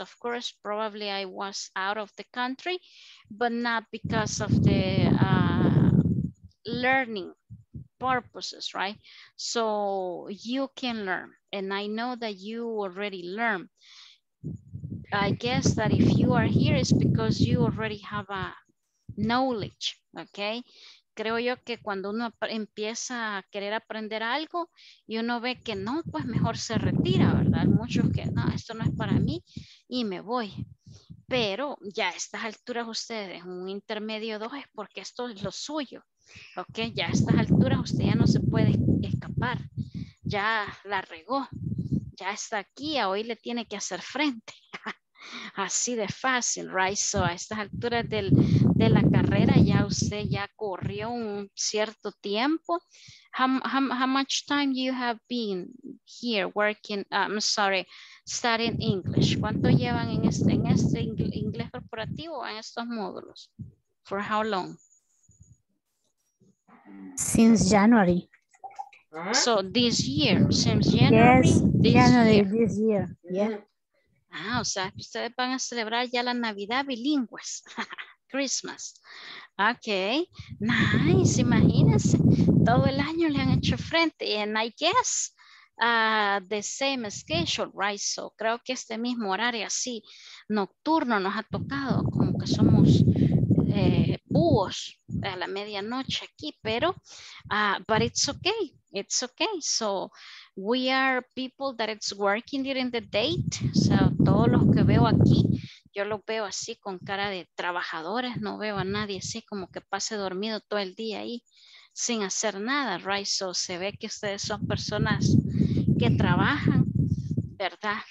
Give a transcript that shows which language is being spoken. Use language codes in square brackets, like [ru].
[en] Of course, probably I was out of the country, but not because of the learning purposes, right? So you can learn and I know that you already learned. I guess that if you are here, it's because you already have a knowledge, okay? [es] creo yo que cuando uno empieza a querer aprender algo y uno ve que no, pues mejor se retira, ¿verdad? Muchos que no, esto no es para mí y me voy. Pero ya a estas alturas ustedes, un intermedio 2 es porque esto es lo suyo, ¿ok? Ya a estas alturas usted ya no se puede escapar, ya la regó, ya está aquí, a hoy le tiene que hacer frente. Así de fácil, right? So, a estas alturas de la carrera ya usted ya corrió un cierto tiempo. [en] How much time you have been here working, studying English? [es] ¿Cuánto llevan en este inglés corporativo en estos módulos? [en] For how long? Since January. So this year, since January? Yes, this year. Yeah. [es] Ah, o sea, ustedes van a celebrar ya la Navidad bilingües, Christmas. Ok, nice, imagínense, todo el año le han hecho frente. [en] And I guess the same schedule, right? [es] So creo que este mismo horario así nocturno nos ha tocado, como que somos búhos a la medianoche aquí, pero [en] but it's okay. So we are people that it's working during the date. [es] So todos los que veo aquí, yo los veo así con cara de trabajadores, no veo a nadie así como que pase dormido todo el día ahí sin hacer nada, right? So se ve que ustedes son personas que trabajan, ¿verdad?